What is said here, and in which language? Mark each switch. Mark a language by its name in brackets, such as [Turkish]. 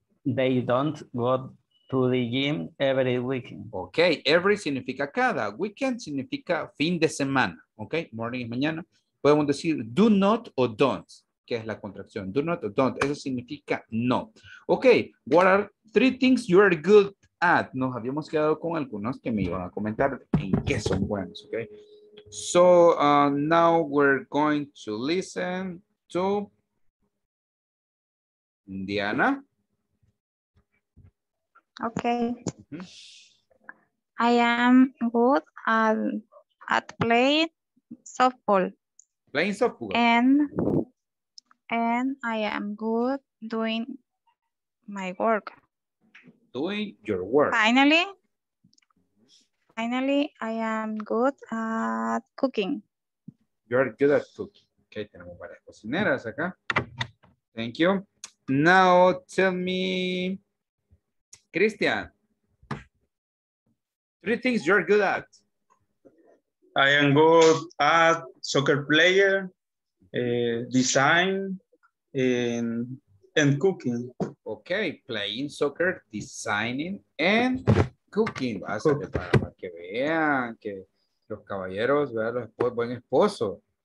[English] They don't go to the gym every weekend. [Spanish] Okay, every significa cada. Weekend significa fin de semana. Okay, morning es mañana. Podemos decir do not o don't, que es la contracción. Do not o don't, eso significa no. [English] Okay, what are three things you are good at? [Spanish] Nos habíamos quedado con algunos que me iban a comentar en qué son buenos, okay? [English] So, now we're going to listen to Diana. Okay. Mm-hmm. I am good at playing softball. Playing softball. And I am good doing my work. Doing your work. Finally, I am good at cooking. You are good at cooking. Okay, [Spanish] tenemos varias cocineras acá. [English] Thank you. Now tell me, Christian, three things you're good at. I am good at soccer player, design, and cooking. Okay, playing soccer, designing, and cooking. [Spanish] Vas a preparar que vean que los caballeros, vean los buen esposo.